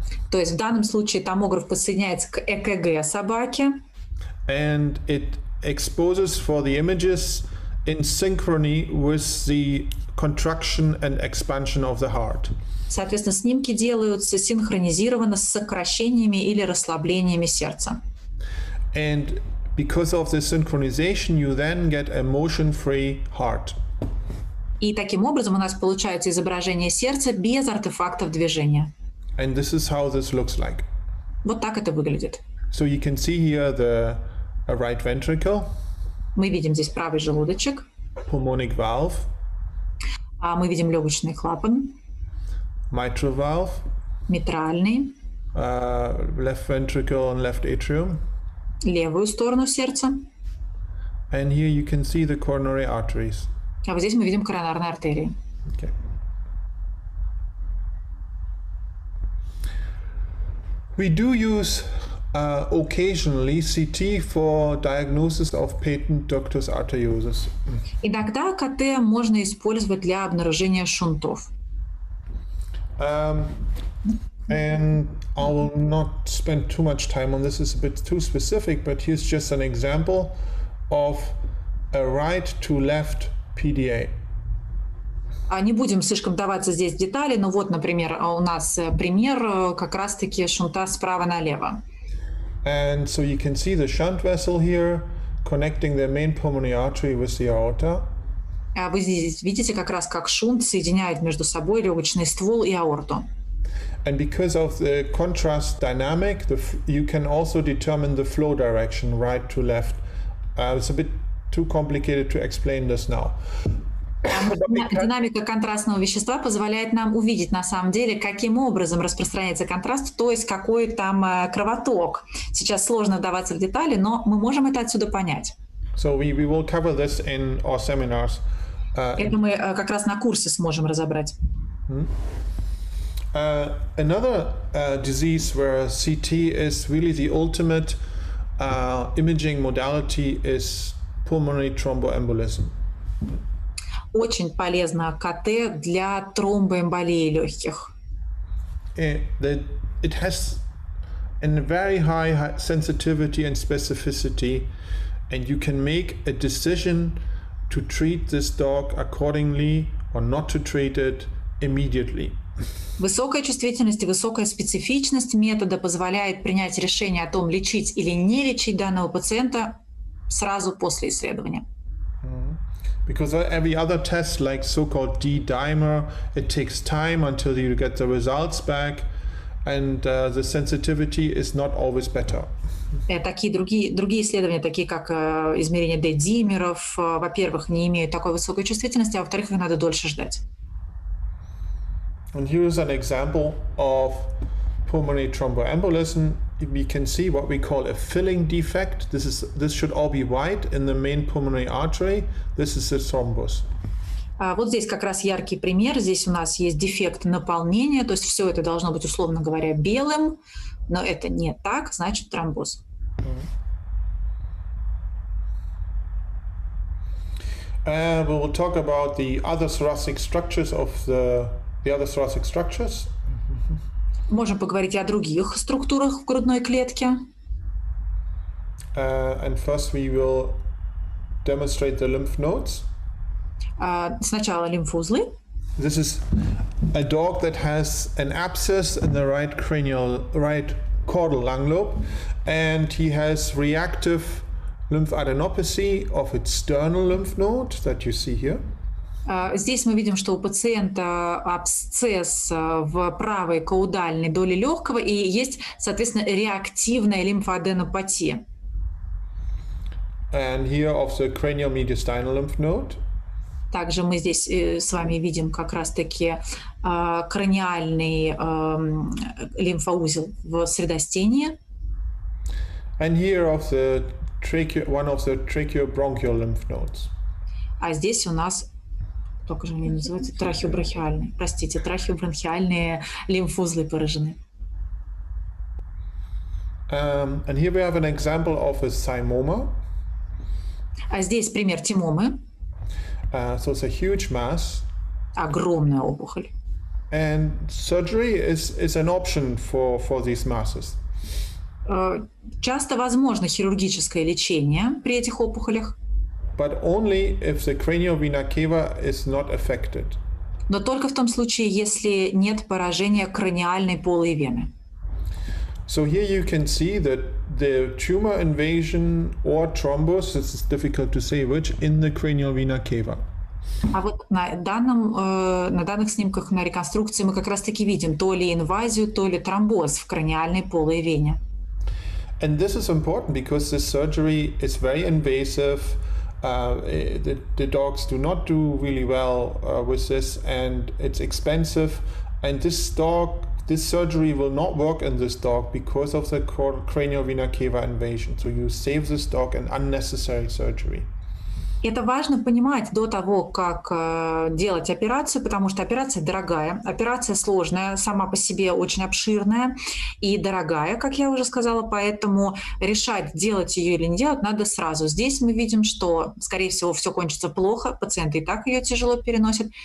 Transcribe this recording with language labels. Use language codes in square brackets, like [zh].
[ru] То есть в данном случае томограф подсоединяется к ЭКГ собаки. [en] And it exposes for the images in synchrony with the contraction and expansion of the heart. [ru] Соответственно, снимки делаются синхронизированно с сокращениями или расслаблениями сердца. [en] And because of the synchronization, you then get a motion-free heart. [ru] И таким образом у нас получается изображение сердца без артефактов движения. [en] And this is how this looks like. [ru] Вот так это выглядит. [en] So you can see here the right ventricle. [ru] Мы видим здесь правый желудочек. [en] Pulmonic valve. [ru] А мы видим легочный клапан. [en] Mitral valve. [ru] Митральный. [en] Left ventricle and left atrium. [ru] Левую сторону сердца. [en] And here you can see the coronary arteries. [ru] А вот здесь мы видим коронарные артерии. [en] Okay. We do use occasionally CT for diagnosis of patent ductus arteriosus. [ru] Иногда КТ можно использовать для обнаружения шунтов. [en] And I will not spend too much time on this, it's a bit too specific, but here's just an example of a right to left PDA. [ru] Не будем слишком даваться здесь в детали, но вот, например, у нас пример как раз-таки шунта справа налево. [en] And so you can see the shunt vessel here connecting the main pulmonary artery with the aorta. [ru] А вы здесь видите как раз как шунт соединяет между собой легочный ствол и аорту. [en] And because of the contrast dynamic, you can also determine the flow direction right to left. It's a bit too complicated to explain this now. [ru] Динамика контрастного вещества позволяет нам увидеть на самом деле, каким образом распространяется контраст, то есть какой там кровоток. Сейчас сложно вдаваться в детали, но мы можем это отсюда понять. [en] So we will cover this in our seminars. [ru] Это мы как раз на курсе сможем разобрать. [en] Another disease where CT is really the ultimate imaging modality is pulmonary thromboembolism. [ru] Очень полезно КТ для тромбоэмболии легких. [en] It has a very high sensitivity and specificity, and you can make a decision to treat this dog accordingly or not to treat it immediately. [ru] Высокая чувствительность и высокая специфичность метода позволяет принять решение о том, лечить или не лечить данного пациента сразу после исследования. [en] Because every other test, like so-called D-dimer, it takes time until you get the results back, and the sensitivity is not always better. [ru] Такие другие исследования, такие как измерение D-димеров, во-первых, не имеют такой высокой чувствительности, а во-вторых, их надо дольше ждать. [en] And here is an example of pulmonary thromboembolism. We can see what we call a filling defect. This should all be white in the main pulmonary artery. This is a thrombus. [ru] Вот здесь как раз яркий пример. Здесь у нас есть дефект наполнения, то есть все это должно быть условно говоря белым, но это не так, значит тромбоз. [en] We will talk about the other thoracic structures of the other thoracic structures. [ru] Можем поговорить о других структурах в грудной клетке. [en] And first we will demonstrate the lymph nodes. [ru] Сначала лимфоузлы. [en] This is a dog that has an abscess in the right cranial, right caudal lung lobe, and he has reactive lymphadenopathy of its sternal lymph node that you see here. [ru] Здесь мы видим, что у пациента абсцесс в правой каудальной доле легкого и есть, соответственно, реактивная лимфоаденопатия. [en] And here of the cranial mediastinal lymph node. [ru] Также мы здесь с вами видим как раз-таки краниальный лимфоузел в средостении. [en] And here of the one of the tracheobronchial lymph nodes. [ru] А здесь у нас, только же они называются, трахеобронхиальные. Простите, трахеобронхиальные лимфоузлы поражены. [en] And here we have an example of a cymoma. [ru] А здесь пример тимомы. [en] So it's a huge mass. [ru] Огромная опухоль. [en] And surgery is an option for these masses. [ru] Часто возможно хирургическое лечение при этих опухолях. [en] But only if the cranial vena cava is not affected. [ru] Но только в том случае, если нет поражения краниальной полой вены. [en] So here you can see that the tumor invasion or thrombus, it's difficult to say which, in the cranial vena cava. [ru] А вот на данных снимках на реконструкции мы как раз-таки видим то ли инвазию, то ли тромбоз в краниальной полой вене. [en] And this is important because this surgery is very invasive. The dogs do not do really well with this, and it's expensive. And this surgery will not work in this dog because of the cranial vena cava invasion. So you save this dog an unnecessary surgery. [ru] Это важно понимать до того, как делать операцию, потому что операция дорогая, операция сложная, сама по себе очень обширная и дорогая, как я уже сказала, поэтому решать, делать ее или не делать, надо сразу. Здесь мы видим, что, скорее всего, все кончится плохо, пациенты и так ее тяжело переносят.